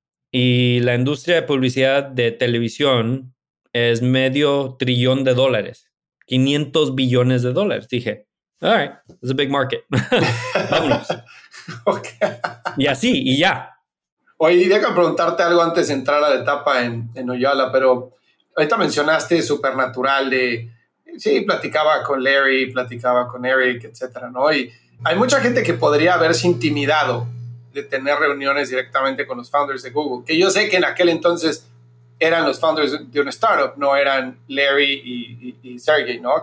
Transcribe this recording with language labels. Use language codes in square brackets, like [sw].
[es] Y la industria de publicidad de televisión es $500 billion. $500 billones. Dije, [en] all right, it's a big market. [es] Vámonos. Okay. Y así, y ya. Oye, déjame preguntarte algo antes de entrar a la etapa en Uyala, pero ahorita mencionaste Supernatural de, sí, platicaba con Larry, platicaba con Eric, etcétera, ¿no? Y hay mucha gente que podría haberse intimidado de tener reuniones directamente con los founders de Google, que yo sé que en aquel entonces eran los founders de una startup, no eran Larry y Sergey, ¿no?